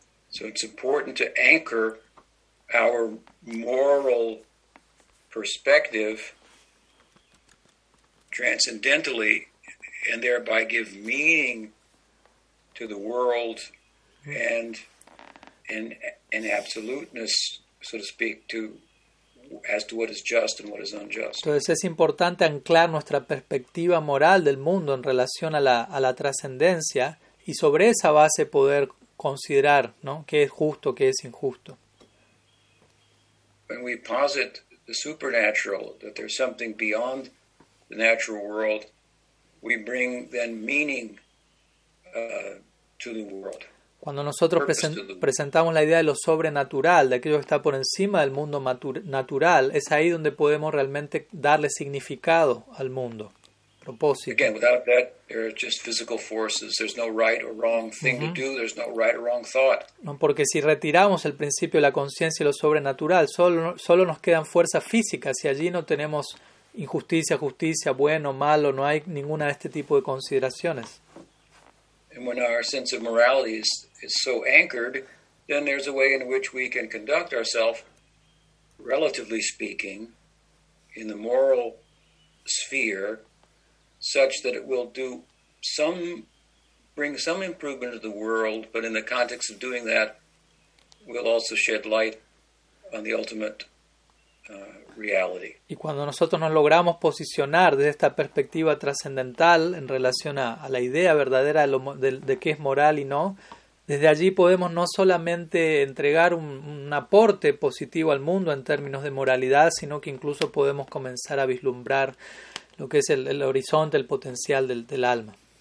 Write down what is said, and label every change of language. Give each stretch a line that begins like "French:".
English: So it's important to anchor our moral perspective transcendentally and thereby give meaning to the world and absoluteness, so to speak, to as to what is just and what is unjust.
Spanish: Entonces es importante anclar nuestra perspectiva moral del mundo en relación a la trascendencia y sobre esa base poder considerar, ¿no?, qué es justo, qué es injusto.
English: When we posit the supernatural, that there's something beyond the natural world, we bring then meaning to the world.
Spanish: Cuando nosotros presentamos la idea de lo sobrenatural, de aquello que está por encima del mundo natural, es ahí donde podemos realmente darle significado al mundo, propósito.
English: Again, without that, there are just physical forces. There's no right or wrong thing to do. There's no right or wrong thought.
Spanish: No, porque si retiramos el principio de la conciencia y lo sobrenatural, solo nos quedan fuerzas físicas y allí no tenemos injusticia, justicia, bueno, malo, no hay ninguna de este tipo de consideraciones.
English: And when our sense of morality is so anchored, then there's a way in which we can conduct ourselves, relatively speaking, in the moral sphere, such that it will do some, bring some improvement to the world, but in the context of doing that, will also shed light on the ultimate reality.
Spanish: Y cuando nosotros nos logramos posicionar desde esta perspectiva trascendental en relación a la idea verdadera de qué es moral y no, desde allí podemos no solamente entregar un aporte positivo al mundo en términos de moralidad, sino que incluso podemos comenzar a vislumbrar lo que es el horizonte, el potencial del alma.